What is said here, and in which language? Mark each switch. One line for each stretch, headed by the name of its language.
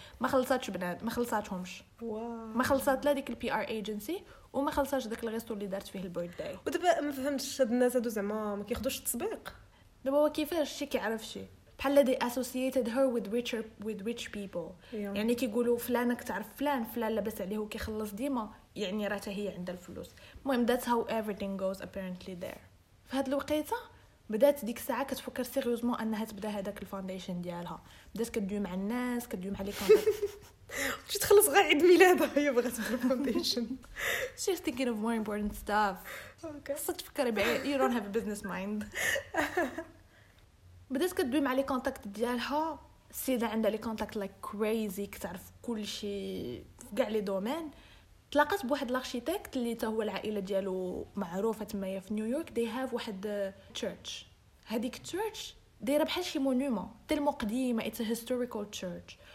Arabic: ما خلصاتش بنات، ما خلصاتهمش، ما خلصات لا ديك البي ار ايجنسي وما خلصاش داك الغيستور اللي دارت فيه البيرثداي. ودابا ما فهمتش هاد الناس هادو زعما ما كياخذوش التصبيق، دابا هو كيفاش شي كيعرف شي بحال لدي
English: associated her with richer with rich people.
Arabic: يعني كيقولوا فلانك تعرف فلان، فلان لبس عليه وكيخلص ديما، يعني راتها هي عندها الفلوس. مهم
English: that's how everything goes apparently there.
Arabic: في هاد الوقيتة بدات ديك الساعه كتفكر سيريوزمون انها تبدا هذاك الفاونديشن ديالها، بدات كدوي مع الناس كدوي مع لي كونتاكت شي تخلص غير عيد ميلادها هي بغات الفاونديشن
English: شي thinking of more important stuff. Okay
Arabic: صافي فكري بعي،
English: you don't have a business mind.
Arabic: بدات كدوي مع لي كونتاكت ديالها، السيده عندها لي كونتاكت
English: like crazy
Arabic: كتعرف كل شيء في كاع لي دومين. تلاقات بواحد الاركيتكت اللي حتى هو العائله ديالو معروفه تمايا في نيويورك،
English: دي هاف
Arabic: واحد تشيرش، هذيك تشيرش دايره بحال شي مونومون تلمو قديمه،
English: It historical church.